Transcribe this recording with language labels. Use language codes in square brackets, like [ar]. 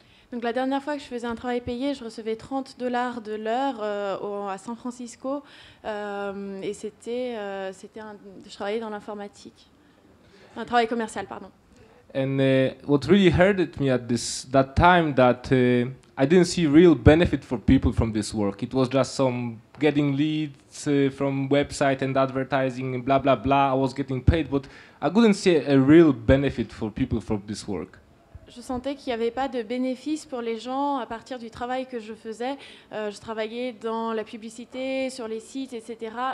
[fr] Donc la dernière fois que je faisais un travail payé, je recevais $30 de l'heure à San Francisco, et c'était je travaillais dans l'informatique, un travail commercial, pardon. [en] And what really hurted me at that time that I didn't see real benefit for people from this work. It was just some getting leads from website and advertising and blah blah blah. I was getting paid, but I couldn't see a real benefit for people from this work. [fr] Je sentais qu'il n'y avait pas de bénéfice pour les gens à partir du travail que je faisais. Je travaillais dans la publicité, sur les sites, etc.